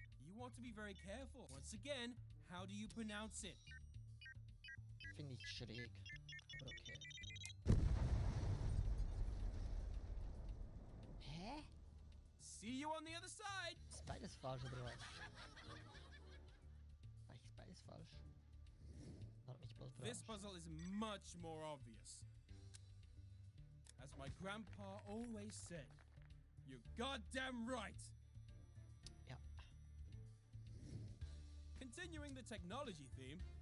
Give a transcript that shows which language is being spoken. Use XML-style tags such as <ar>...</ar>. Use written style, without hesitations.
<en>You want to be very careful. Once again, how do you pronounce it?</en> <de>Finde ich schräg, aber okay. Hä?</de> <en>See you on the other side!</en> <de>Ist beides falsch, oder was? Ist beides falsch?</de> <en>This puzzle is much more obvious. As my grandpa always said, you're goddamn right! Yeah. Continuing the technology theme,</en>